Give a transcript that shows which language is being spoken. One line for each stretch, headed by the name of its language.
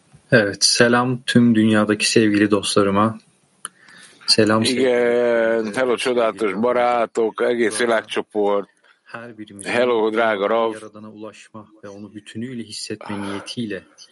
Turkish: Evet, selam tüm dünyadaki sevgili dostlarıma. Selam.
Hungarian: Igen, hello csodálatos barátok, egész világcsoport. Hello, drága Rav.
Turkish: Yaradana ulaşma ve onu bütünüyle hissetme niyetiyle.